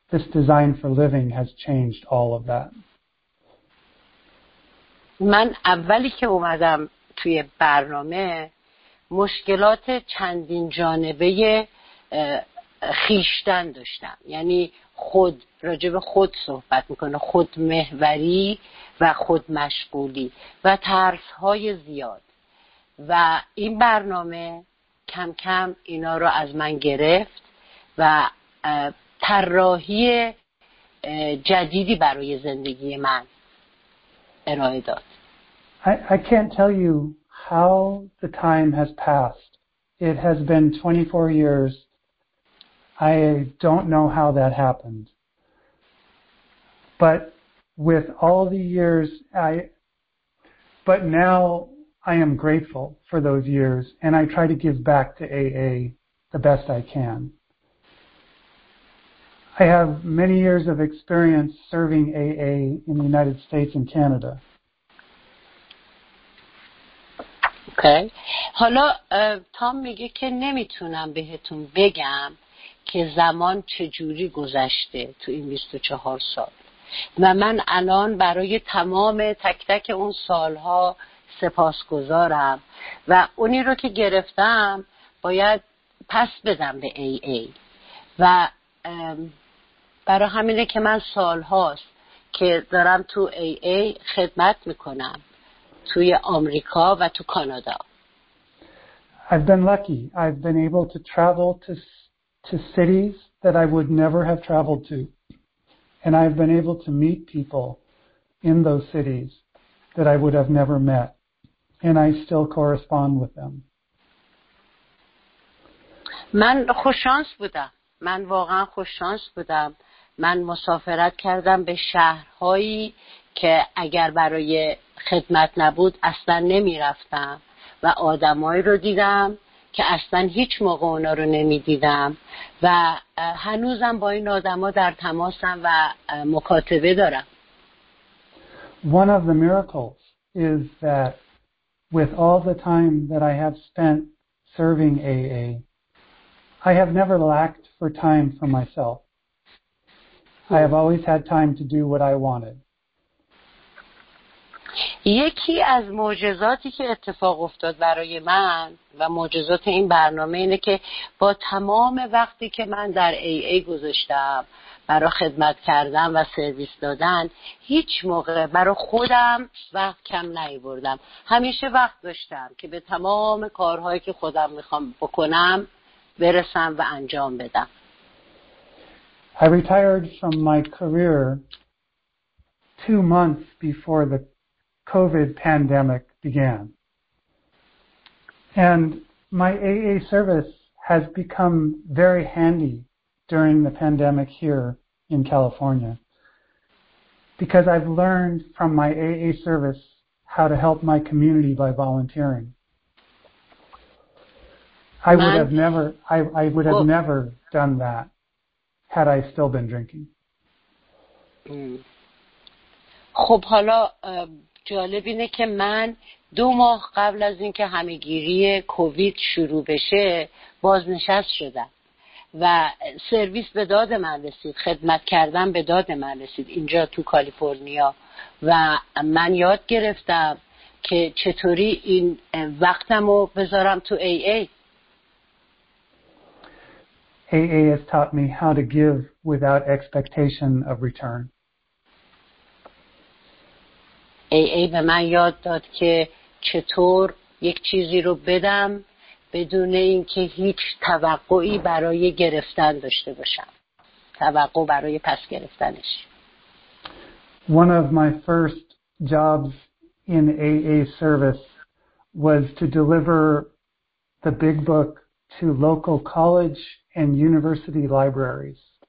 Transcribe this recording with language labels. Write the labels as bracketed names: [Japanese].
[English] This design for living has changed all of that. [Persian] من اولی که اومدم توی برنامه مشکلات چندین جانبه خیشتن داشتم. یعنی خود راجب خود صحبت میکنه. خودمحوری و خودمشغولی و ترس‌های زیاد. و این برنامه کم کم اینا رو از من گرفت. و طراحی جدیدی برای زندگی من ارائه داد. [English] I can't tell you how the time has passed. It has been 24 years. I don't know how that happened. But with all the years but now I am grateful for those years and I try to give back to AA the best I can. I have many years of experience serving AA in the United States and Canada. Okay. [Persian] حالا تام میگه که نمیتونم بهتون بگم که زمان چجوری گذشته تو این 24 سال. و من الان برای تمام تک تک اون سالها سپاسگزارم و اونی رو که گرفتم باید پس بدم به AA و برای همینه که من سال هاست که دارم تو AA خدمت میکنم توی آمریکا و تو کانادا. [English] I've been lucky. I've been able to travel to cities that I would never have traveled to. And I've been able to meet people in those cities that I would have never met. And I still correspond with them. [Persian] من خوش شانس بودم. من واقعا خوش شانس بودم. من مسافرت کردم به شهرهایی که اگر برای خدمت نبود اصلا نمی رفتم و آدمایی رو دیدم که اصلا هیچ موقع اونا رو نمی دیدم و هنوزم با این آدما در تماسم و مکاتبه دارم. [English] One of the miracles is that with all the time that I have spent serving AA, I have never lacked for time for myself. I have always had time to do what I wanted. [Persian] یکی از معجزاتی که اتفاق افتاد برای من و معجزات این برنامه اینه که با تمام وقتی که من در AA گذاشتم برای خدمت کردن و سرویس دادن هیچ موقع برای خودم وقت کم نیاوردم. همیشه وقت داشتم که به تمام کارهایی که خودم میخوام بکنم برسم و انجام بدم. [English] I retired from my career 2 months before the COVID pandemic began. And my AA service has become very handy during the pandemic here in California because I've learned from my AA service how to help my community by volunteering. I would have never done that had I still been drinking. [Persian] خب حالا جالب اینه که من 2 ماه قبل از اینکه همه‌گیری کووید شروع بشه بازنشست شدم و سرویس به داد من رسید، خدمت کردن به داد من رسید اینجا تو کالیفرنیا و من یاد گرفتم که چطوری این وقتمو بذارم تو ای ای. [English] AA has taught me how to give without expectation of return. [Persian] AA به من یاد داد که چطور یک چیزی رو بدم بدون اینکه هیچ توقعی برای گرفتن داشته باشم. توقع برای پس گرفتنش. [English] One of my first jobs in AA service was to deliver the big book to local college and university libraries.